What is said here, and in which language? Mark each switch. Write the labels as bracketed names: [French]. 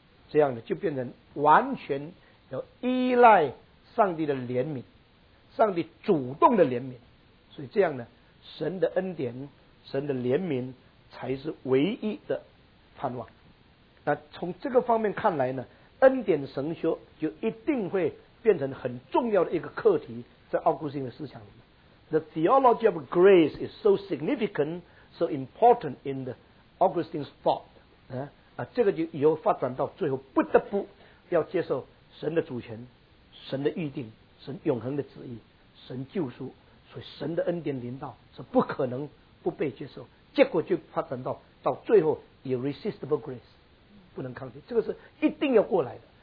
[Chinese] 这样的就变成完全要依赖上帝的怜悯，上帝主动的怜悯。所以这样呢，神的恩典神的怜悯才是唯一的盼望。那从这个方面看来呢，恩典神学就一定会变成很重要的一个课题，在奥古斯丁的思想里面。 [English] The theology of grace is so significant, so important in the Augustine's thought. [Chinese] 这个就以后发展到最后，不得不要接受神的主权、神的预定、神永恒的旨意、神救赎，所以神的恩典临到是不可能不被接受。结果就发展到最后 [English] irresistible grace， [Chinese] 不能抗拒，这个是一定要过来的。